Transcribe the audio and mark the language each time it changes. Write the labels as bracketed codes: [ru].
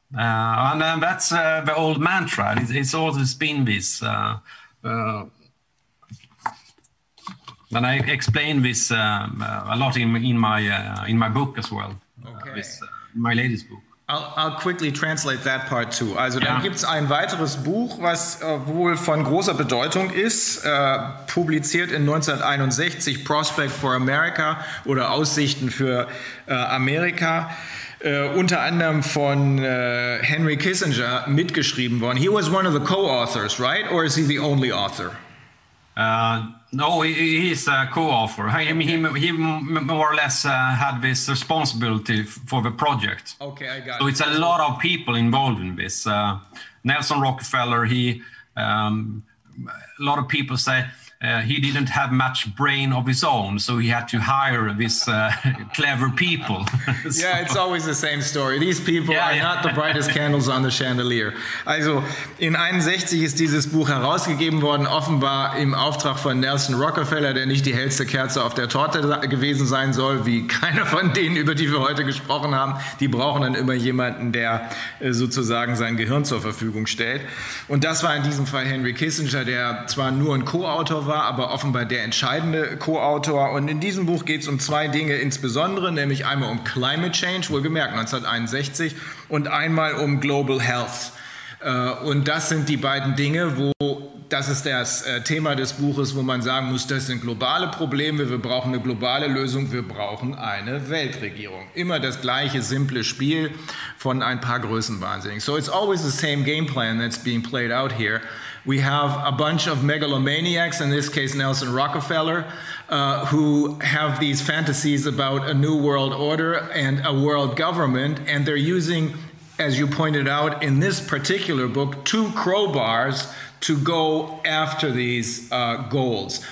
[en] And that's the old mantra. It's always been this. And I explain this a lot in my book as well. Okay. My latest book. I'll quickly translate that part too. [de] Also dann gibt es ein weiteres Buch, was wohl von großer Bedeutung ist, publiziert in 1961, Prospect for America oder Aussichten für Amerika. unter anderem von Henry Kissinger mitgeschrieben worden. [en] He was one of the co-authors, right? Or is he the only author? No, he's a co-author. I mean, he more or less had this responsibility for the project. Okay, I got it. So it's a lot of people involved in this. Nelson Rockefeller, a lot of people say he didn't have much brain of his own, so he had to hire these clever people. So, yeah, it's always the same story. These people are not the brightest candles on the chandelier. [de] Also, in 1961 ist dieses Buch herausgegeben worden, offenbar im Auftrag von Nelson Rockefeller, der nicht die hellste Kerze auf der Torte gewesen sein soll, wie keiner von denen, über die wir heute gesprochen haben. Die brauchen dann immer jemanden, der sozusagen sein Gehirn zur Verfügung stellt. Und das war in diesem Fall Henry Kissinger, der zwar nur ein Co-Autor war, aber offenbar der entscheidende Co-Autor. Und in diesem Buch geht es um zwei Dinge insbesondere, nämlich einmal um Climate Change, wohlgemerkt 1961, und einmal um Global Health. Und das sind die beiden Dinge, wo das ist das Thema des Buches, wo man sagen muss, das sind globale Probleme, wir brauchen eine globale Lösung, wir brauchen eine Weltregierung. Immer das gleiche simple Spiel von ein paar Größenwahnsinnigen. [en] So it's always the same game plan that's being played out here. We have a bunch of megalomaniacs, in this case Nelson Rockefeller, who have these fantasies about a new world order and a world government, and they're using, as you pointed out in this particular book, two crowbars to go after these goals.